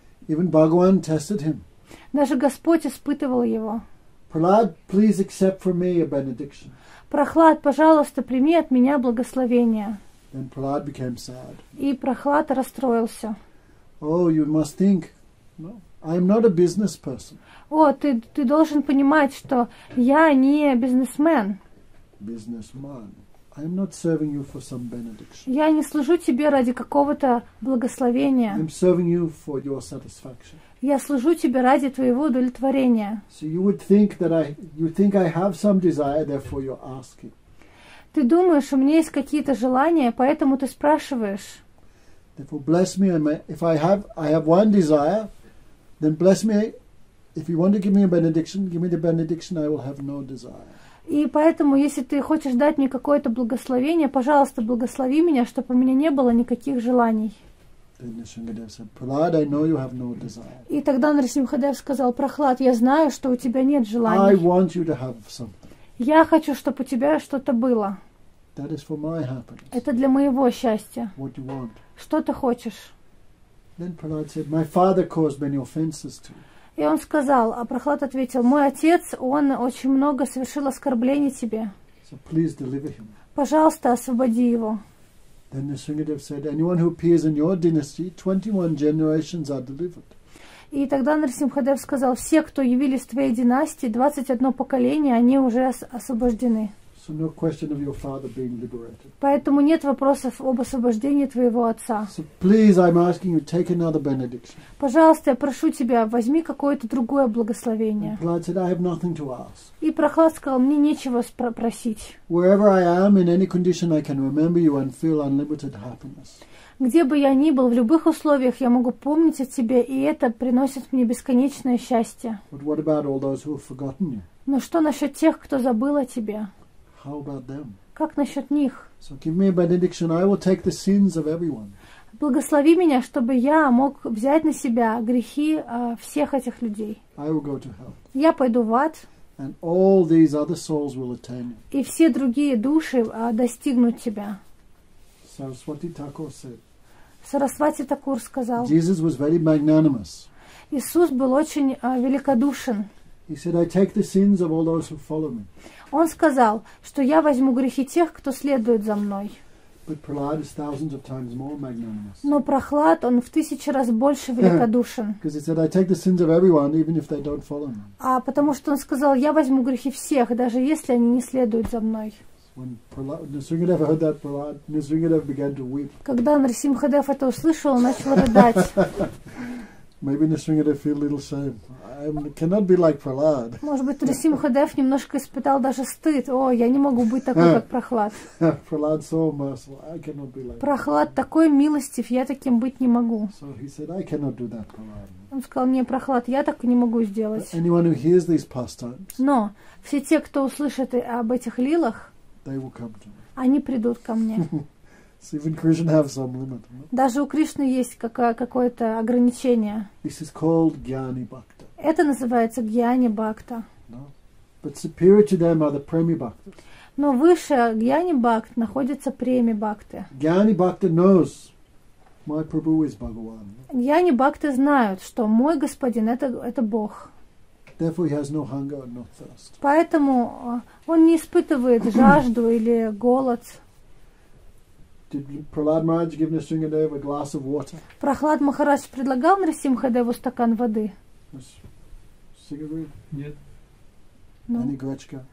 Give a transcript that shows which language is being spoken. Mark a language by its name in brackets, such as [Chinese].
[English] Even Bhagavan tested him. [Russian] Даже Господь испытывал его. [English] Prahlad, please accept from me a benediction. [Russian] Прохлад, пожалуйста, прими от меня благословение. [English] And Prahlad became sad. [Russian] И Прохлад расстроился. [English] Oh, you must think, no, I'm not a business person. [Russian] О, ты должен понимать, что я не бизнесмен. [English] Businessman, I'm not serving you for some benediction. [Russian] Я не служу тебе ради какого-то благословения. [English] I'm serving you for your satisfaction. [Russian] Я служу тебе ради твоего удовлетворения. [English] So you would think that you think I have some desire, therefore you're asking. [Russian] Ты думаешь, у меня есть какие-то желания, поэтому ты спрашиваешь. [English] Therefore bless me, if I have one desire, then bless me. If you want to give me a benediction, give me the benediction, I will have no desire. [Russian] И поэтому, если ты хочешь дать мне какое-то благословение, пожалуйста, благослови меня, чтобы у меня не было никаких желаний. [English] Then Нарсимхадев said, Prahlad, I know you have no desire. [Russian] И тогда Нарсимхадев сказал, Прохлад, я знаю, что у тебя нет желаний. [English] I want you to have something. [Russian] Я хочу, чтобы у тебя что-то было. [English] That is for my happiness. [Russian] Это для моего счастья. [English] What you want. [Russian] Что ты хочешь? [English] Then Prahlad said, my father caused many offenses to you. [Russian] И он сказал, а Прохлад ответил, мой отец, он очень много совершил оскорблений тебе. [English] So please deliver him. [Russian] Пожалуйста, освободи его. [English] Then the Nrisimhadev said, anyone who appears in your dynasty, 21 generations are delivered. [Russian] И тогда Нарсимхадев сказал, все, кто явились в твоей династии, 21 поколение, они уже освобождены. [English] So no question of your father being liberated. [Russian] Поэтому нет вопросов об освобождении твоего отца. [English] So please, I'm asking you, take another benediction. [Russian] Пожалуйста, я прошу тебя, возьми какое-то другое благословение. [English] And Prahlad said, I have nothing to ask. [Russian] И Прохлад сказал, мне нечего просить. [English] Wherever I am, in any condition, I can remember you and feel unlimited happiness. [Russian] Где бы я ни был, в любых условиях я могу помнить о тебе, и это приносит мне бесконечное счастье. [English] But what about all those who have forgotten you? [Russian] Но что насчет тех, кто забыл о тебе? [English] How about them? [Russian] Как насчет них? [English] So give me a benediction, I will take the sins of everyone. [Russian] Благослови меня, чтобы я мог взять на себя грехи всех этих людей. [English] I will go to hell. [Russian] Я пойду в ад. [English] And all these other souls will attain. [Russian] И все другие души достигнут тебя. [English] Сарасвати Такур said. [Russian] Сарасвати Такур сказал. [English] Jesus was very magnanimous. [Russian] Иисус был очень великодушен. [English] He said, "I take the sins of all those who follow me." [Russian] Он сказал, что я возьму грехи тех, кто следует за мной. [English] But Prahlad is thousands of times more magnanimous. [Russian] Но Прохлад, он в тысячи раз больше великодушен. [English] Because he said, "I take the sins of everyone, even if they don't follow me." [Russian] А потому что он сказал, я возьму грехи всех, даже если они не следуют за мной. [English] When Nrisimhadev heard that, Prahlad, Nrisimhadev began to weep. [Russian] Когда Нрисимхадев это услышал, он начал рыдать. [English] Maybe Nrisimhadev feel a little shame. I cannot be like Prahlad. [Russian] Может быть, Нрисимхадев немножко испытал даже стыд. О, я не могу быть такой, как Прохлад. [English] Prahlad so merciful. I cannot be like. [Russian] Прохлад такой милостив, я таким быть не могу. [English] So he said, I cannot do that, Prahlad. [Russian] Он сказал, не, Прохлад, я так не могу сделать. [English] But anyone who hears these pastimes. [Russian] Но все те, кто услышит об этих лилах. [English] They will come to me. [Russian] Они придут ко мне. [English] So even Krishna has some limit, no? [Russian] Даже у Кришны есть какое-то ограничение. [English] This is called Gyani Bhakta. [Russian] Это называется Гьяни Бхакта. [English] No? But superior to them are the Premi Bhaktas. [Russian] Но выше Гьяни Бхакт находятся Преми Бхакты. [English] Gyani Bhakta knows my Prabhu is Bhagavan. [Russian] Гьяни Бхакты знают, что мой Господин это Бог. [English] Therefore, he has no hunger and no thirst. [Russian] Поэтому он не испытывает жажду или голод. [English] Did Prahlad Maharaj give Nrisimhadev a glass of water? [Russian] Прохлад Махарадж предлагал Нрисимхадеву стакан воды. Нет. [English] No. Any гречка?